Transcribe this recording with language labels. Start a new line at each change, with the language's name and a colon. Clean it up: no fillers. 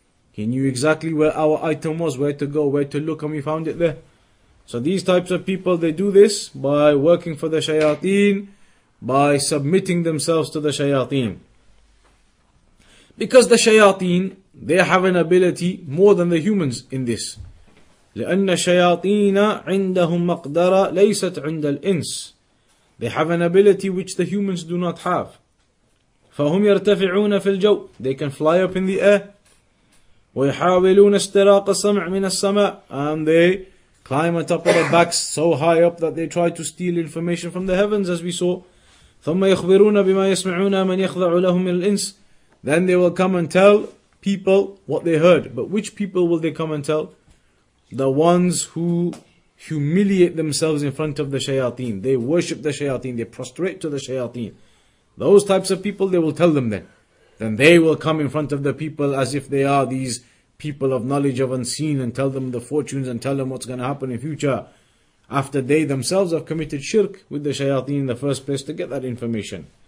English: He knew exactly where our item was, where to go, where to look, and we found it there. So these types of people, they do this by working for the shayateen, by submitting themselves to the shayateen. Because the shayateen, they have an ability more than the humans in this.
Arabic: لأن الشياطين عندهم مقدرة ليست عند الإنس.
English: They have an ability which the humans do not have.
Arabic: فهم يرتفعون في الجو.
English: They can fly up in the air.
Arabic: ويحاولون استراق السمع من السماء.
English: And they climb atop of the backs so high up that they try to steal information from the heavens, as we saw.
Arabic: ثم يخبرون بما يسمعون من يخضع لهم من الإنس.
English: Then they will come and tell people what they heard. But which people will they come and tell? The ones who humiliate themselves in front of the shayateen. They worship the shayateen. They prostrate to the shayateen. Those types of people, they will tell them then. Then they will come in front of the people as if they are these people of knowledge of unseen and tell them the fortunes and tell them what's going to happen in future, after they themselves have committed shirk with the shayateen in the first place to get that information.